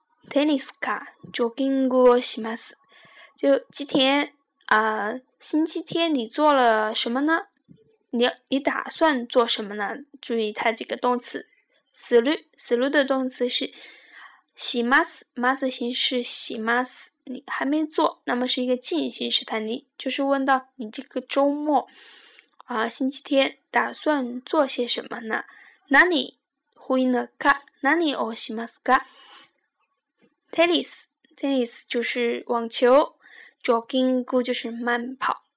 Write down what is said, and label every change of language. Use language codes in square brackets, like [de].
[ja] テニスかジョギングをします。 [zh] 就吉田啊、星期天你做了什么呢？你打算做什么呢？注意它这个动词する的动词是します形式します，你还没做，那么是一个进行时态，你就是问到你这个周末啊、星期天打算做些什么呢？哪里呼应的か，哪里をしますか。テニス 就是网球 ，jogging 就是慢跑。